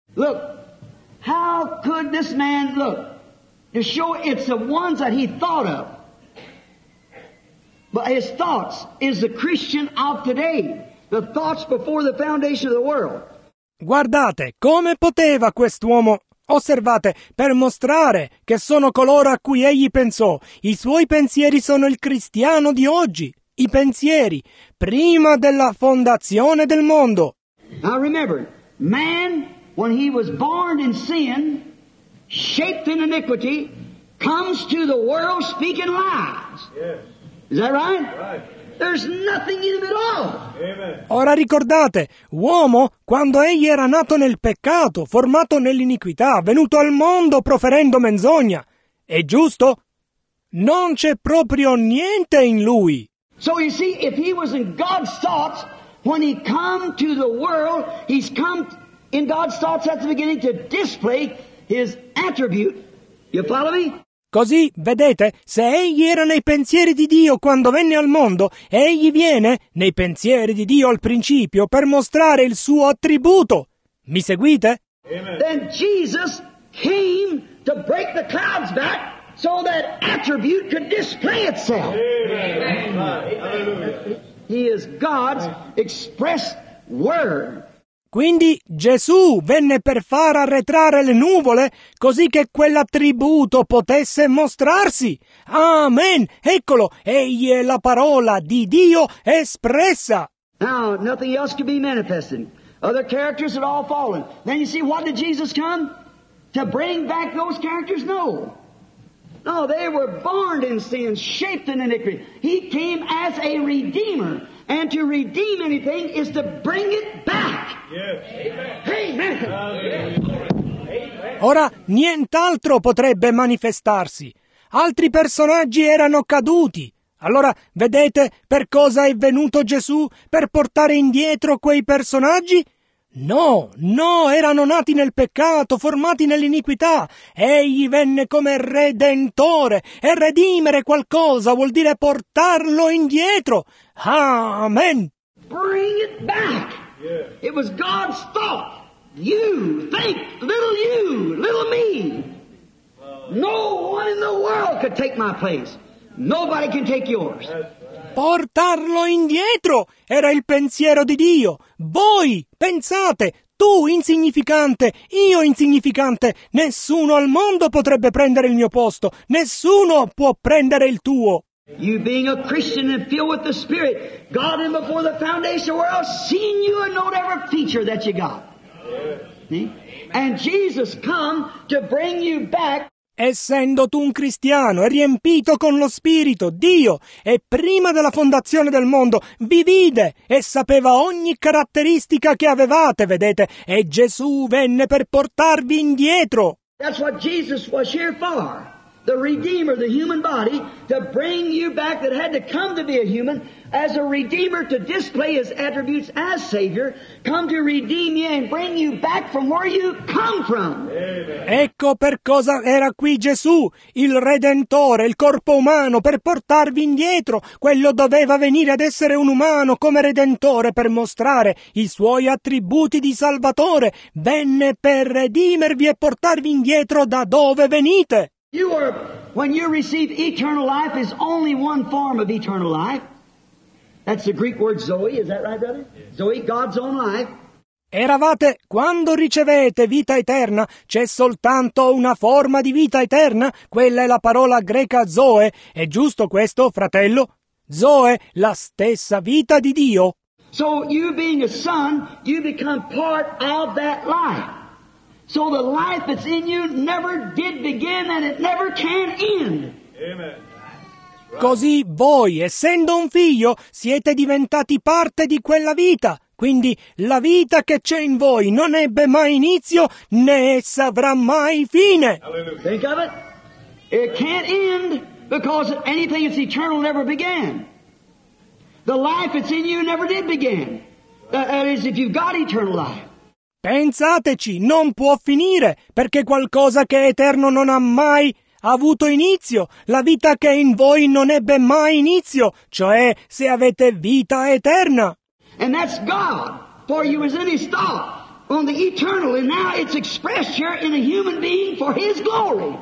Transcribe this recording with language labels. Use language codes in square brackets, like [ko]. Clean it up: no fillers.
[en] Look, how could this man look? To show it's the ones that he thought of. But his thoughts is the Christian of today, the thoughts before the foundation of the world. [it] Guardate, come poteva quest'uomo, osservate, per mostrare che sono coloro a cui egli pensò, i suoi pensieri sono il cristiano di oggi, i pensieri prima della fondazione del mondo. [en] Now remember, man, when he was born in sin, shaped in iniquity, comes to the world speaking lies. Yes. Is that right? Right. There's nothing in him at all. Amen. [it] Ora ricordate, uomo, quando egli era nato nel peccato, formato nell'iniquità, venuto al mondo proferendo menzogna, è giusto? Non c'è proprio niente in lui. [en] So you see, if he was in God's thoughts, when he come to the world, he's come in God's thoughts at the beginning to display his attribute. You follow me? [it] Così, vedete, se egli era nei pensieri di Dio quando venne al mondo, egli viene nei pensieri di Dio al principio per mostrare il suo attributo. Mi seguite? [en] Amen. Then Jesus came to break the clouds back so that attribute could display itself. Amen. He is God's express word. [it] Quindi Gesù venne per far arretrare le nuvole così che quell'attributo potesse mostrarsi. Amen! Eccolo, egli è la parola di Dio espressa. [en] Now, nothing else could be manifested. Other characters had all fallen. Then you see, what did Jesus come? To bring back those characters? No. No, they were born in sin, shaped in iniquity. He came as a redeemer. And to redeem anything is to bring it back. Yes. Amen. Amen. [it] Ora nient'altro potrebbe manifestarsi. Altri personaggi erano caduti. Allora vedete per cosa è venuto Gesù? Per portare indietro quei personaggi? No, no, erano nati nel peccato, formati nell'iniquità. Egli venne come redentore, e redimere qualcosa vuol dire portarlo indietro. [en] Amen. Bring it back. Yeah. It was God's thought. You think, little you, little me. No one in the world could take my place. Nobody can take yours. [it] Portarlo indietro era il pensiero di Dio. Voi pensate, tu insignificante, io insignificante, nessuno al mondo potrebbe prendere il mio posto, nessuno può prendere il tuo. [en] You being a Christian and filled with the Spirit, God in before the foundation of the world seen you and known every feature that you got. And Jesus come to bring you back. [it] Essendo tu un cristiano e riempito con lo Spirito, Dio, e prima della fondazione del mondo, vi vide e sapeva ogni caratteristica che avevate, vedete, e Gesù venne per portarvi indietro. [en] That's what Jesus was here for, the Redeemer, the human body, to bring you back that had to come to be a human, as a Redeemer to display His attributes as Savior, come to redeem you and bring you back from where you come from. Amen. [it] Ecco per cosa era qui Gesù, il Redentore, il corpo umano, per portarvi indietro. Quello doveva venire ad essere un umano come Redentore per mostrare i suoi attributi di Salvatore. Venne per redimervi e portarvi indietro da dove venite. [en] You are, when you receive eternal life, is only one form of eternal life. That's the Greek word Zoe, is that right, brother? Yes. Zoe, God's own life. [it] Eravate, quando ricevete vita eterna, c'è soltanto una forma di vita eterna? Quella è la parola greca Zoe. È giusto questo, fratello? Zoe, la stessa vita di Dio. [en] So, you being a son, you become part of that life. So the life that's in you never did begin and it never can end. Amen. [it] Così voi, essendo un figlio, siete diventati parte di quella vita. Quindi la vita che c'è in voi non ebbe mai inizio, né essa avrà mai fine. [en] Think of it. It can't end because anything that's eternal never began. The life that's in you never did begin. That is, if you've got eternal life. [it] Pensateci, non può finire, perché qualcosa che è eterno non ha mai avuto inizio. La vita che è in voi non ebbe mai inizio, cioè se avete vita eterna. [en] And that's God, for you was in his thought on the eternal, and now it's expressed here in a human being for his glory.